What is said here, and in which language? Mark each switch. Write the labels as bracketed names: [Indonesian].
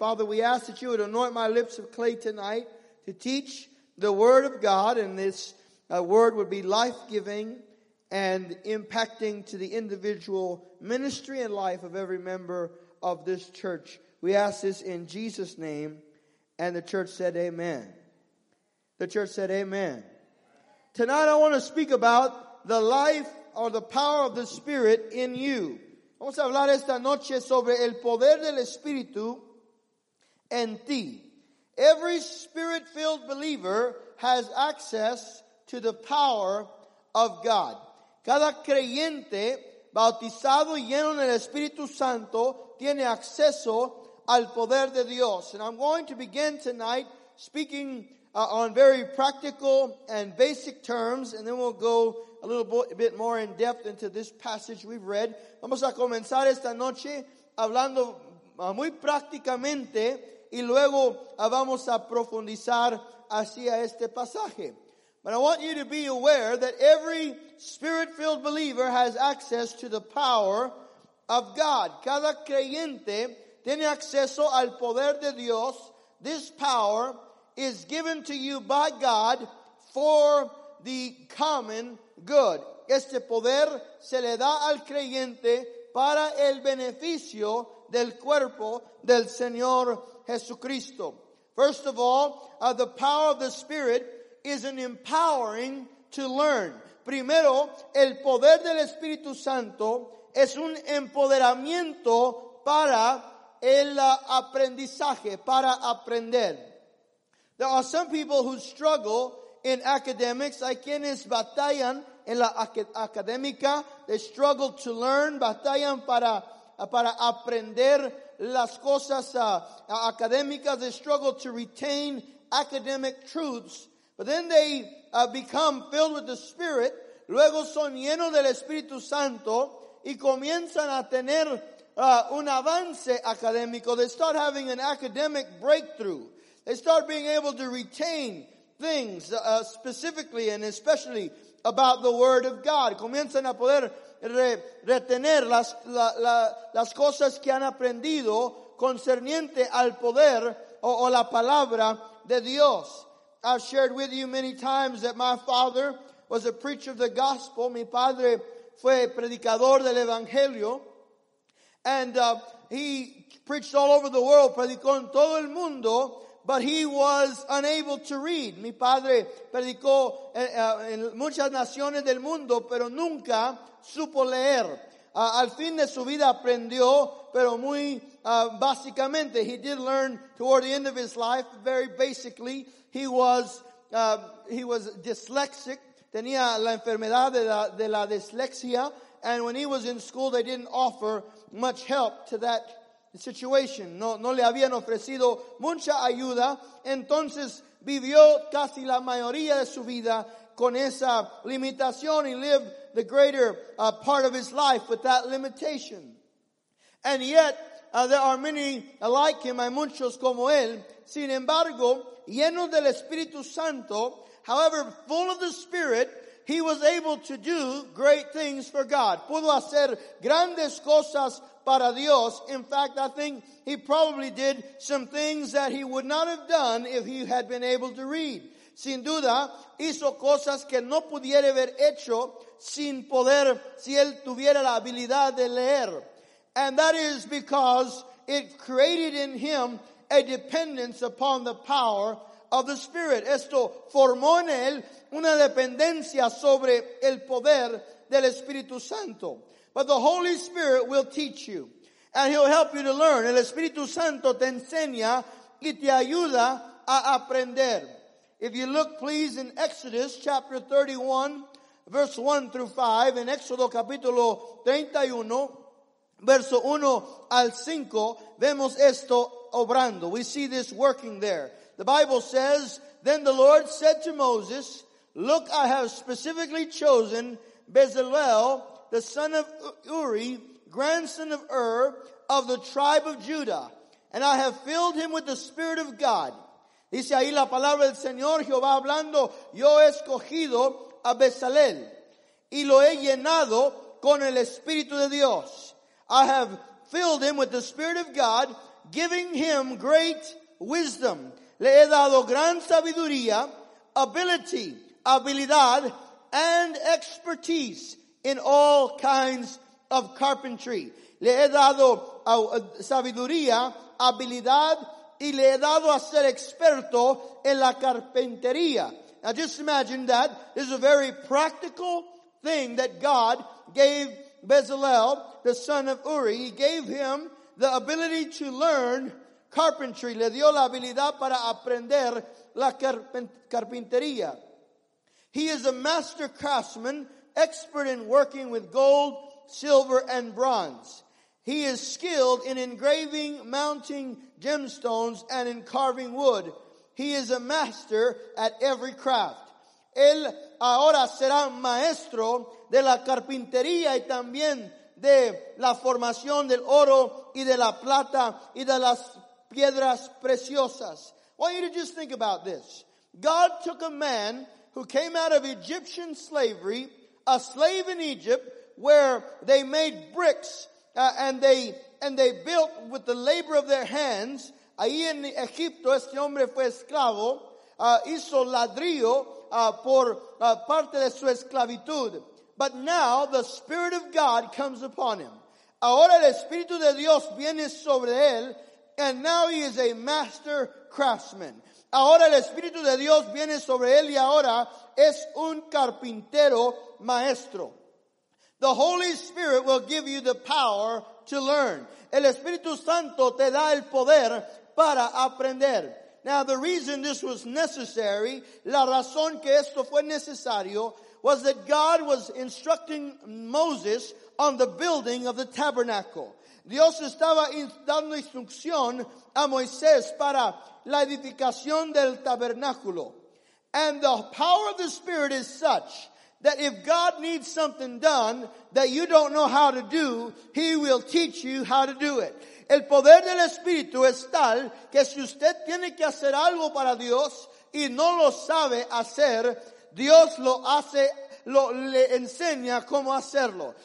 [English] Father, we ask that You would anoint my lips of clay tonight to teach the Word of God, and this Word would be life-giving and impacting to the individual ministry and life of every member of this church. We ask this in Jesus' name. And the church said amen. The church said amen. Tonight I want to speak about the life or the power of the Spirit in you. [Spanish] Vamos a hablar esta noche sobre el poder del Espíritu en ti. [English] Every Spirit-filled believer has access to the power of God. [Spanish] Cada creyente bautizado y lleno del Espíritu Santo tiene acceso al poder de Dios. [English] And I'm going to begin tonight speaking on very practical and basic terms, and then we'll go a little bit more in depth into this passage we've read. [Spanish] Vamos a comenzar esta noche hablando muy prácticamente y luego vamos a profundizar hacia este pasaje. [English] But I want you to be aware that every Spirit-filled believer has access to the power of God. [Spanish] Cada creyente tiene acceso al poder de Dios. [English] This power is given to you by God for the common good. [Spanish] Este poder se le da al creyente para el beneficio del cuerpo del Señor Jesucristo. [English] First of all, the power of the Spirit is an empowering to learn. [Spanish] Primero, el poder del Espíritu Santo es un empoderamiento para el aprendizaje, para aprender. [English] There are some people who struggle in academics. [Spanish] Hay quienes batallan en la académica. [English] They struggle to learn, [Spanish] batallan para aprender las cosas académicas. [English] They struggle to retain academic truths. But then they become filled with the Spirit. [Spanish] Luego son llenos del Espíritu Santo y comienzan a tener un avance académico. [English] They start having an academic breakthrough. They start being able to retain things specifically and especially about the Word of God. [Spanish] Comienzan a poder retener las cosas que han aprendido concerniente al poder o la palabra de Dios. [English] I've shared with you many times that my father was a preacher of the gospel. [Spanish] Mi padre fue predicador del evangelio. [English] And he preached all over the world. [Spanish] Predicó en todo el mundo [English] but he was unable to read. [Spanish] Mi padre predicó en muchas naciones del mundo, pero nunca supo leer. Al fin de su vida aprendió, pero muy básicamente. [English] He did learn toward the end of his life, very basically. He was dyslexic. [Spanish] Tenía la enfermedad de la dyslexia. [English] And when he was in school, they didn't offer much help to that situation. [Spanish] No le habían ofrecido mucha ayuda. Entonces vivió casi la mayoría de su vida con esa limitación. [English] He lived the greater part of his life with that limitation. And yet, there are many like him. [Spanish] Hay muchos como él. Sin embargo, lleno del Espíritu Santo, [English] however, full of the Spirit, he was able to do great things for God. [Spanish] Pudo hacer grandes cosas para Dios. [English] In fact, I think he probably did some things that he would not have done if he had been able to read. [Spanish] Sin duda, hizo cosas que no pudiera haber hecho sin poder, si él tuviera la habilidad de leer. [English] And that is because it created in him a dependence upon the power of the Spirit. [Spanish] Esto formó en él una dependencia sobre el poder del Espíritu Santo. [English] But the Holy Spirit will teach you, and he'll help you to learn. [Spanish] El Espíritu Santo te enseña y te ayuda a aprender. [English] If you look, please, in Exodus chapter 31, verse 1 through 5, in [Spanish] Éxodo capítulo 31, verso 1 al 5, vemos esto obrando. [English] We see this working there. The Bible says, "Then the Lord said to Moses, 'Look, I have specifically chosen Bezalel, the son of Uri, grandson of of the tribe of Judah, and I have filled him with the Spirit of God.'" [Spanish] Dice ahí la palabra del Señor, Jehová hablando, "Yo he escogido a Bezalel, y lo he llenado con el Espíritu de Dios. [English] I have filled him with the Spirit of God, giving him great wisdom." [Spanish] Le he dado gran sabiduría, [English] ability, habilidad, and expertise in all kinds of carpentry. [Spanish] Le he dado sabiduría, habilidad, y le he dado a ser experto en la carpintería. [English] Now just imagine that. This is a very practical thing that God gave Bezalel, the son of Uri. He gave him the ability to learn carpentry. [Spanish] Le dio la habilidad para aprender la carpintería. [English] He is a master craftsman, expert in working with gold, silver, and bronze. He is skilled in engraving, mounting gemstones, and in carving wood. He is a master at every craft. [Spanish] Él ahora será maestro de la carpintería y también de la formación del oro y de la plata y de las piedras preciosas. [English] I want you to just think about this. God took a man who came out of Egyptian slavery, a slave in Egypt, where they made bricks and they built with the labor of their hands. [Spanish] Ahí en Egipto, este hombre fue esclavo, hizo ladrillo por parte de su esclavitud. [English] But now the Spirit of God comes upon him. [Spanish] Ahora el Espíritu de Dios viene sobre él. [English] And now he is a master craftsman. [Spanish] Ahora el Espíritu de Dios viene sobre él y ahora es un carpintero maestro. [English] The Holy Spirit will give you the power to learn. [Spanish] El Espíritu Santo te da el poder para aprender. [English] Now the reason this was necessary, [Spanish] la razón que esto fue necesario, [English] was that God was instructing Moses on the building of the tabernacle. [Spanish] Dios estaba dando instrucción a Moisés para la edificación del tabernáculo. [English] And the power of the Spirit is such that if God needs something done that you don't know how to do, he will teach you how to do it. [Spanish] El poder del Espíritu es tal que si usted tiene que hacer algo para Dios y no lo sabe hacer, Dios lo hace, lo le enseña cómo hacerlo.